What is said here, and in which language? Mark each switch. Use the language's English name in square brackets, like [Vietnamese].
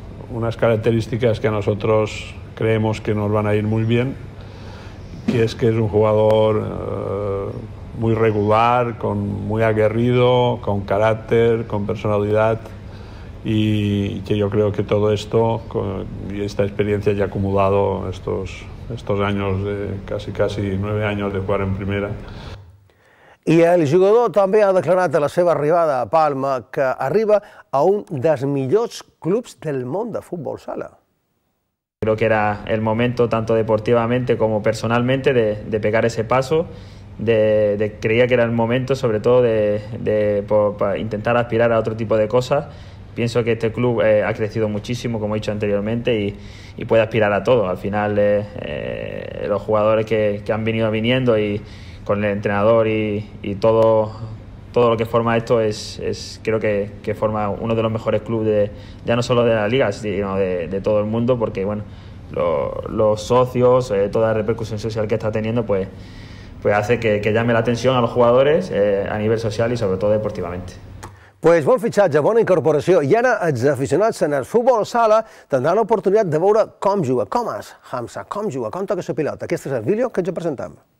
[Spanish] unas características que a nosotros creemos que nos van a ir muy bien, y es que es un jugador muy regular, muy aguerrido, con carácter, con personalidad, y que yo creo que todo esto y esta experiencia ya acumulado estos años de casi 9 años de jugar en primera. [Catalan] I el jugador també ha declarat a la seva arribada a Palma que arriba a un dels millors clubs del món de futbol sala. [Spanish] Creo que era el momento tanto deportivamente como personalmente de pegar ese paso. Creía que era el momento sobre todo de intentar aspirar a otro tipo de cosas. pienso que este club ha crecido muchísimo, como he dicho anteriormente, y puede aspirar a todo. Al final, los jugadores que han venido viniendo y con el entrenador y todo lo que forma esto es creo que forma uno de los mejores clubes, ya no solo de la Liga, sino de todo el mundo, porque bueno, los socios, toda la repercusión social que está teniendo, pues hace que llame la atención a los jugadores a nivel social y sobre todo deportivamente. [Catalan] Pues bon fitxatge, bona incorporació. I ara els aficionats en el futbol sala tindran l'oportunitat de veure com juga, com és Hamza, com juga, com toca la pilota. Aquest és el vídeo que ens presentem.